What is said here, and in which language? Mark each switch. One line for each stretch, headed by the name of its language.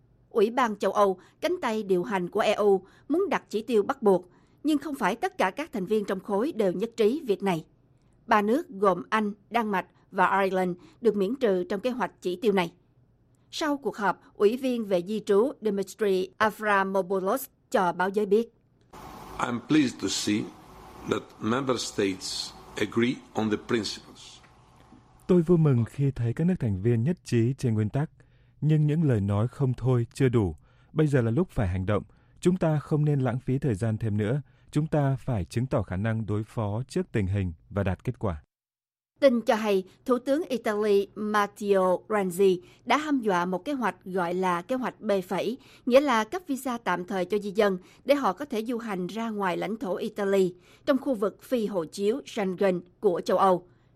Vietnamese: Ủy ban châu Âu, cánh tay điều hành của EU, muốn đặt chỉ tiêu bắt buộc, nhưng không phải tất cả các thành viên trong khối đều nhất trí việc này. Ba nước gồm Anh, Đan Mạch và Ireland được miễn trừ trong kế hoạch chỉ tiêu này. Sau cuộc họp, Ủy viên về di trú Dimitri Avramopoulos cho báo giới biết.
English: I'm pleased to see that member states agree on the principles.
Vietnamese: Tôi vui mừng khi thấy các nước thành viên nhất trí trên nguyên tắc. Nhưng những lời nói không thôi chưa đủ. Bây giờ là lúc phải hành động. Chúng ta không nên lãng phí thời gian thêm nữa. Chúng ta phải chứng tỏ khả năng đối phó trước tình hình và đạt kết quả. Tin cho hay, Thủ tướng Italy Matteo Renzi đã hăm dọa một kế hoạch gọi là kế hoạch B phẩy, nghĩa là cấp visa tạm thời cho di dân để họ có thể du hành ra ngoài lãnh thổ Italy, trong khu vực phi hộ chiếu Schengen của châu Âu.